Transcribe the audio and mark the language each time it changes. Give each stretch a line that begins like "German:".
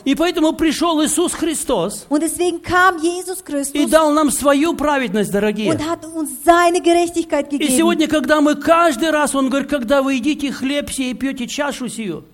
Russian: И поэтому пришел Иисус Христос.
German: Und deswegen kam Jesus Christus.
Russian: И дал нам свою праведность, дорогие.
German: Und hat uns seine Gerechtigkeit gegeben.
Russian: И сегодня, когда мы каждый раз, он говорит, когда вы едите хлеб сей и пьете чашу сию.